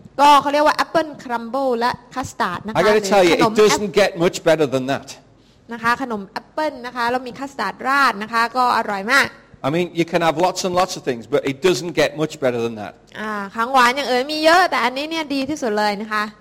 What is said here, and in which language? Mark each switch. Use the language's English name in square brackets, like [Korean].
[Thai] ก็เขาเรียกว่าแอปเปิลครัมเบิลและคัสตาร์ดนะคะ [English] I gotta tell you, it doesn't get much better than that. [Thai] นะคะขนมแอปเปิลนะคะแล้วมีคัสตาร์ดราดนะคะก็อร่อยมาก [English] I mean, you can have lots and lots of things, but it doesn't get much better than that. [Thai] ของหวานอย่างอื่นมีเยอะแต่อันนี้เนี่ยดีที่สุดเลยนะคะ